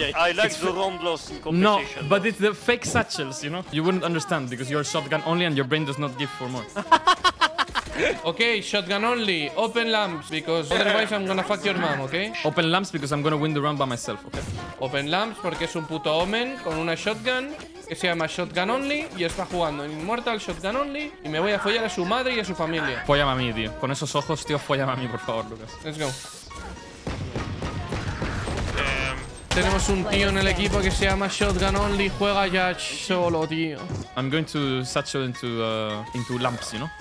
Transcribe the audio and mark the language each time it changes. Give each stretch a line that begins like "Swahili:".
English: Yeah. I like the round loss in compensation. No, but it's the fake satchels, you know? You wouldn't understand because you're shotgun only and your brain does not give for more. Okay, shotgun only. Open lamps because otherwise I'm gonna fuck your mom, okay? Open lamps because I'm gonna win the round by myself, okay? Open lamps
Spanish: porque es un puto omen con una shotgun que se llama shotgun only y está jugando en Immortal shotgun only y me voy a follar a su madre y a su familia. Follame a mí, tío. Con esos ojos, tío, follame a mí, por favor, Lucas.
English: Let's go.
Spanish: Tenemos un tío en el equipo que se llama Shotgun Only, juega ya solo, tío.
English: I'm going to satchel into lamps, you know?